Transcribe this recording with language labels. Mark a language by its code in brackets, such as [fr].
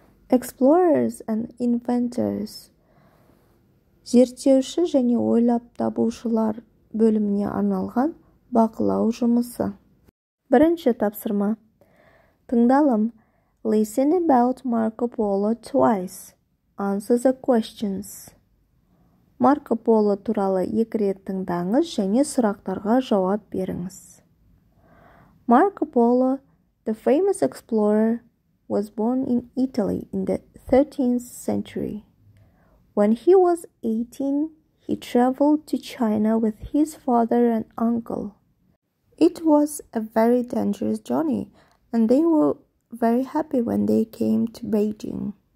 [en] Explorers and inventors. [kk] Зерттеуші және ойлап табушылар бөліміне арналған бақылау жұмысы. Бірінші тапсырма. Тыңдалым. [en] Listen about Marco Polo twice. Answer the questions. [kk] Marco Polo туралы екі рет тыңдаңыз және сұрақтарға жауап беріңіз. [en] Marco Polo, the famous explorer, was born in Italy in the 13th century. When he was 18, he traveled to China with his father and uncle. It was a very dangerous journey, and they were very happy when they came to Beijing.